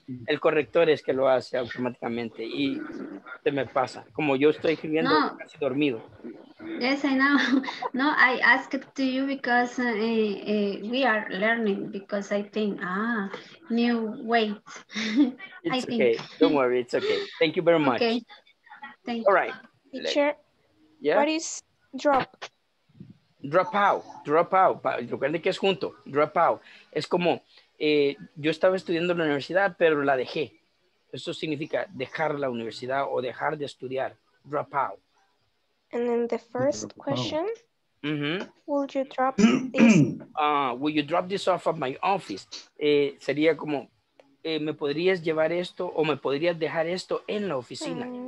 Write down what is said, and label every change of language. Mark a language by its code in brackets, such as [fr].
[es] El corrector es que lo hace automáticamente y se me pasa. Como yo estoy escribiendo casi dormido. [en] Yes, I know. No, I asked to you because we are learning because I think, new weight. It's okay. Don't worry. It's okay. Thank you very much. Okay. Thank you. All right. Teacher, what is drop? [es] drop out, recuerden que es junto, drop out, es como yo estaba estudiando en la universidad, pero la dejé. Eso significa dejar la universidad o dejar de estudiar, drop out. [en] And then the first question, will you drop this? Will you drop this off at my office? [es] Sería como, ¿me podrías llevar esto o me podrías dejar esto en la oficina?